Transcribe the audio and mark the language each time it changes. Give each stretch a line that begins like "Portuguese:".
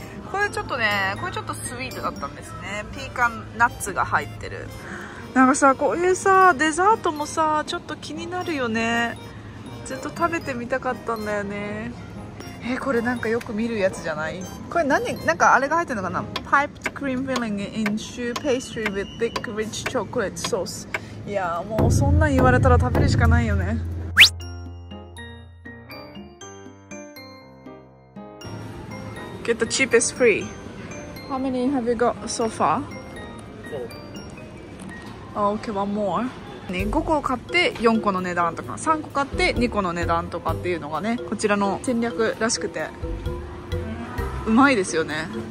Japanese: これちょっとね、これちょっとスイートだったんですね。ピーカンナッツが入ってる。なんかさ、こういうさ、デザートもさ、ちょっと気になるよね。ずっと食べてみたかったんだよね。これなんかよく見るやつじゃない？これ何、なんかあれが入ってるのかな。
English: Piped cream filling in shoe pastry with thick rich chocolate sauce。
Japanese: いやもうそんなん言われたら食べるしかないよね。
English: Get the cheapest free. How many have you got so far? Four. Okay, one more.
Japanese: ね、5個買って4個の値段とか、3個買って2個の値段とかっていうのがね、こちらの戦略らしくて、うまいですよね。